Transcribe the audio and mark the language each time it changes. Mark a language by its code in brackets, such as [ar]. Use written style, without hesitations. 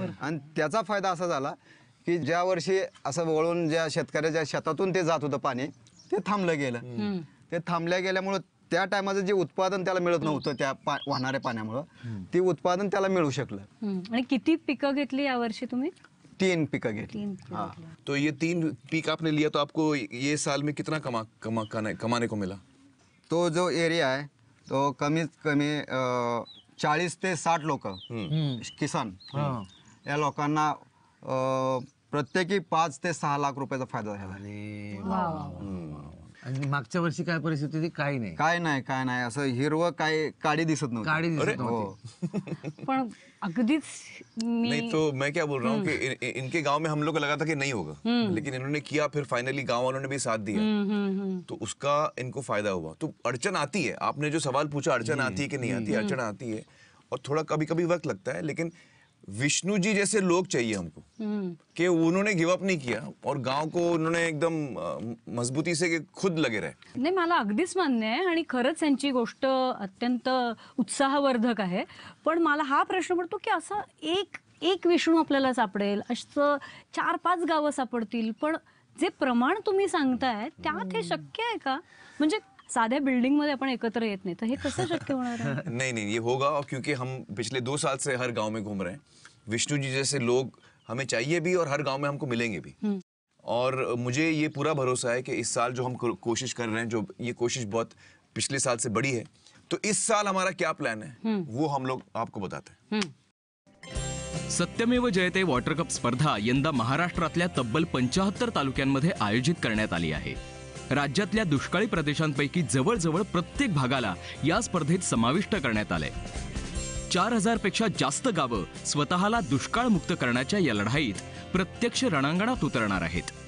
[mr] आणि त्याचा फायदा असा झाला की ज्या वर्षी असं वळून ज्या शेतकऱ्याच्या शेतातून ते जात होतं पाणी ते थांबलं गेलं, ते थांबल्या गेल्यामुळं त्या टायमाचं जे उत्पादन त्याला मिळत नव्हतं त्या वाहणाऱ्या पाण्यामुळं ते उत्पादन त्याला मिळू शकलं. आणि किती पिकं घेतली या वर्षी तुम्ही? 3 पिकं घेतली. [hi] हा, तो ये 3 पीक आपने लिया तो आपको ये साल में कितना कमाने को मिला? [mr] तो जो एरिया आहे तो कमीत कमी 40-60 लोक किसान या लोकांना प्रत्येकी 5-6 लाख रुपयाचा फायदा झाला. आणि मागच्या वर्षी काय परिस्थिती होती? काही नाही, काय नाही, काय नाही, असं हिरवं काय काळी दिसत नव्हतं, काळी दिसत हो. पण अगदीच नाही, [hi] तो मैं क्या बोल रहा हूँ कि इनके गाँव में हम लोग को लगा था कि नहीं होगा, लेकिन इन्होंने किया, फिर फाइनली गाँव वालों ने भी साथ दिया तो उसका इनको फायदा हुआ. तो अड़चन आती है, आपने जो सवाल पूछा अड़चन आती है कि नहीं आती, अड़चन आती है और थोड़ा कभी कभी वक्त लगता है, लेकिन विष्णु जी जैसे लोग चाहिए हमको कि उन्होंने गिव अप नहीं किया और गाँव को उन्होंने एकदम मजबूती से खुद लगे रहे. [mr] नहीं माला अगदीच मान्य है आणि खरच त्यांची गोष्ट अत्यंत उत्साहवर्धक आहे, पण मला हा प्रश्न पडतो की असं एक एक विष्णू आपल्याला सापडेल, असं 4-5 गावं सापडतील, पण जे प्रमाण तुम्ही सांगताय त्यात हे शक्य आहे का? म्हणजे साध्या बिल्डिंग मध्ये आपण एकत्र येत नाही तर हे कसं शक्य होणार आहे? नाही नाही, [hi] ये होगा क्योंकि हम पिछले 2 साल से हर गाँव में घूम रहे हैं, विष्णु जी जैसे लोग हमें चाहिए भी और हर गाँव में हमको मिलेंगे भी. और मुझे ये पूरा भरोसा है कि इस साल जो हम कोशिश कर रहे हैं, जो ये कोशिश बहुत पिछले साल से बड़ी है, तो इस साल हमारा क्या प्लान है वो हम लोग आपको बताते हैं. [mr] सत्यमेव जयते वॉटर कप स्पर्धा यंदा महाराष्ट्रातल्या तब्बल 75 तालुक्यांमध्ये आयोजित करण्यात आली आहे. राज्यातल्या दुष्काळी प्रदेशांपैकी जवळजवळ प्रत्येक भागाला या स्पर्धेत समाविष्ट करण्यात आले. 4,000 जास्त गावं स्वतःला दुष्काळ मुक्त करण्याच्या या लढाईत प्रत्यक्ष रणांगणात उतरणार आहेत.